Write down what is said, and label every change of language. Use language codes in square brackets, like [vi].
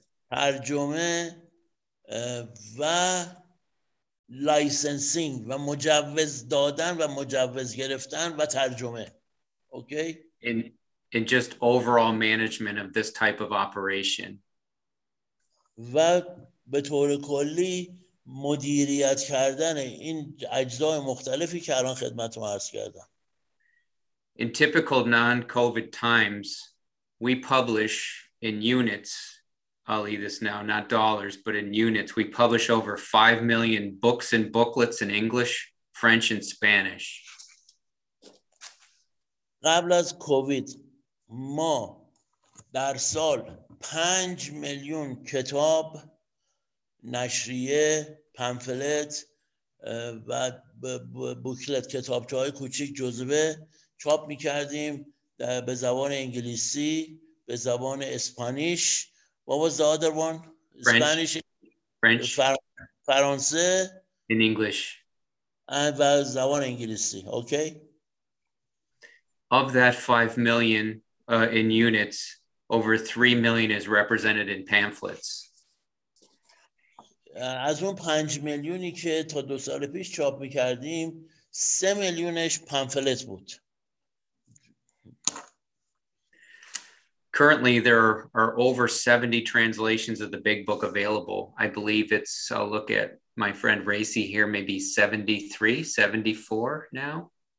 [fa] ترجمه و لایسنسینگ و مجوز دادن و مجوز گرفتن و ترجمه. [en] Okay. In just overall management of this type of operation. [fa] و به طور کلی مدیریت کردن این اجزای مختلفی که الان خدمتتون عرض کردم. [en] In typical non-COVID times, we publish in units. I'll leave this now, not dollars, but in units. We publish over 5 million books and booklets in English, French, and Spanish. [fa] قبل از کووید ما در سال 5 میلیون کتاب، نشریه، پمفلت و بوکلت، کتابچه‌های کوچک جزوه چاپ می‌کردیم به زبان انگلیسی، به زبان اسپانیش. [en] What was the other one? French. Spanish. French. [fa] فرانسه. [en] In English. [fa] و زبان انگلیسی. [en] Okay. Of that 5 million in units, over 3 million is represented in pamphlets. [fa] از اون 5 میلیونی که تا دو سال پیش چاپ می‌کردیم، 3 میلیونش پامفلت بود. [en] Currently, there are over 70 translations of the Big Book available. I believe it's, I'll look at my friend Racy here, maybe 73, 74 now.